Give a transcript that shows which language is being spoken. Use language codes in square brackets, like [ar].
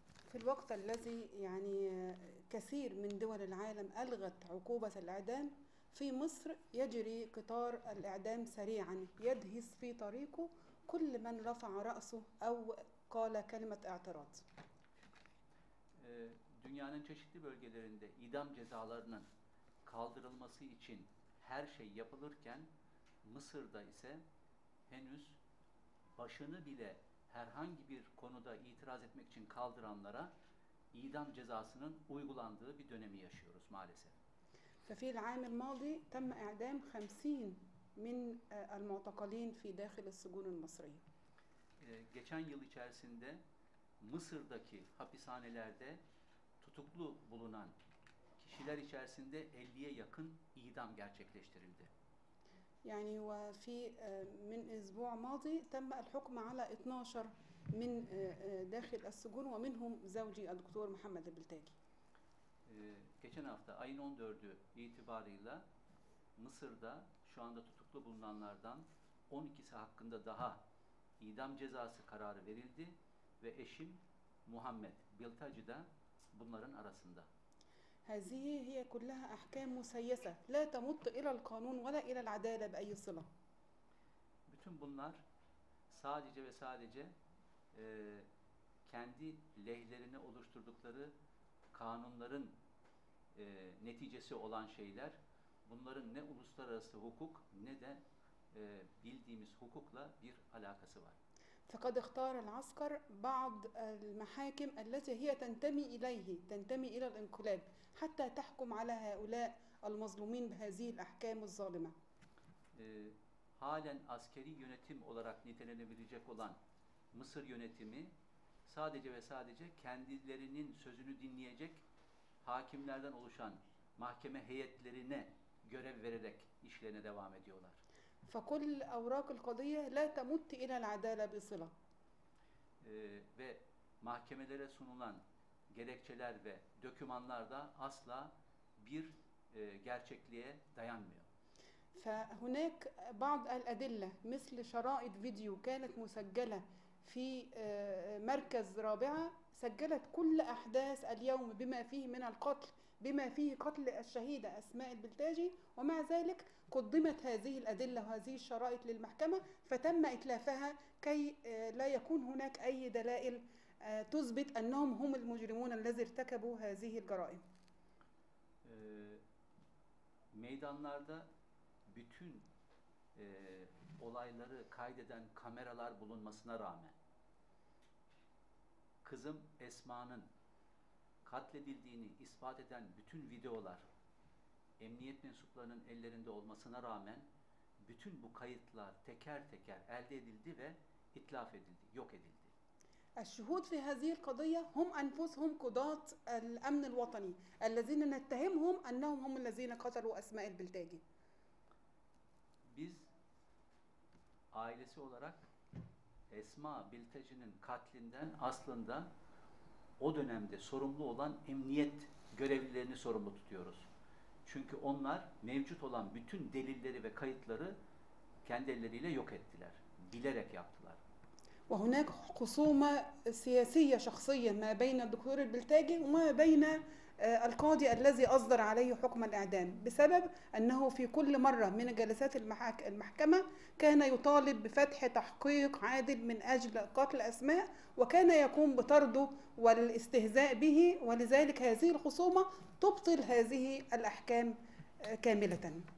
[ar] في الوقت الذي يعني كثير من دول العالم ألغت عقوبة الإعدام في مصر يجري قطار الإعدام سريعا يدهس في طريقه كل من رفع رأسه أو قال كلمة اعتراض. [tr] Dünyanın çeşitli bölgelerinde idam cezalarının kaldırılması için her şey yapılırken Mısır'da ise henüz başını bile herhangi bir konuda itiraz etmek için kaldıranlara idam cezasının uygulandığı bir dönemi yaşıyoruz maalesef. [ar] ففي العام الماضي تم إعدام 50 من المعتقلين في داخل السجون المصرية. [tr] Geçen yıl içerisinde Mısır'daki hapishanelerde tutuklu bulunan kişiler içerisinde 50'ye yakın idam gerçekleştirildi. [ar] يعني وفي من أسبوع ماضي تم الحكم على 12 من داخل السجون ومنهم زوجي الدكتور محمد البلتاجي. [tr] Geçen hafta ayın 14'ü itibarıyla Mısır'da şu anda tutuklu bulunanlardan 12'si hakkında daha idam cezası kararı verildi ve eşim Muhammed Biltaci de bunların arasında. [ar] هذه هي كلها أحكام مسيسة لا تمت إلى القانون ولا إلى العدالة بأي صلة. [tr] Bütün bunlar sadece ve sadece kendi lehlerine oluşturdukları kanunların neticesi olan şeyler. Bunların ne uluslararası hukuk ne de bildiğimiz hukukla bir alakası var. [ar] فقد اختار العسكر بعض المحاكم التي هي تنتمي إليه تنتمي إلى الانقلاب حتى تحكم على هؤلاء المظلومين بهذه الأحكام الظالمة. [tr] Halen askeri yönetim olarak nitelenebilecek olan Mısır yönetimi sadece ve sadece kendilerinin sözünü dinleyecek hakimlerden oluşan mahkeme heyetlerine görev vererek işlerine devam ediyorlar. [ar] فكل أوراق القضية لا تمت إلى العدالة بصلة. [tr] Ve mahkemelere sunulan gerekçeler ve dokümanlar da asla bir gerçekliğe dayanmıyor. [ar] فهناك بعض الأدلة مثل شرائط فيديو كانت مسجلة في مركز رابعة سجلت كل أحداث اليوم بما فيه من القتل بما فيه قتل الشهيدة أسماء البلتاجي ومع ذلك قدمت هذه الأدلة وهذه الشرائط للمحكمة فتم إتلافها كي لا يكون هناك أي دلائل تثبت أنهم هم المجرمون الذين ارتكبوا هذه الجرائم. [tr] Meydanlarda bütün olayları kaydeden kameralar bulunmasına rağmen kızım Esma'nın katledildiğini ispat eden bütün videolar emniyet mensuplarının ellerinde olmasına rağmen bütün bu kayıtlar teker teker elde edildi ve itlaf edildi, yok edildi. [ar] الشهود في هذه القضية هم أنفسهم قضاة الأمن الوطني الذين نتهمهم أنهم هم الذين قتلوا أسماء البلتاجي. [tr] Biz ailesi olarak Esma Biltacı'nın katlinden aslında o dönemde sorumlu olan emniyet görevlilerini sorumlu tutuyoruz. Çünkü onlar mevcut olan bütün delilleri ve kayıtları kendi elleriyle yok ettiler. Bilerek yaptılar. [ar] Ve هناك خصومة سياسية شخصية ما بين الدكتور البلتاجي وما بين القاضي الذي أصدر عليه حكم الإعدام بسبب أنه في كل مرة من جلسات المحكمة كان يطالب بفتح تحقيق عادل من أجل قتل أسماء وكان يقوم بطرده والاستهزاء به ولذلك هذه الخصومة تبطل هذه الأحكام كاملة.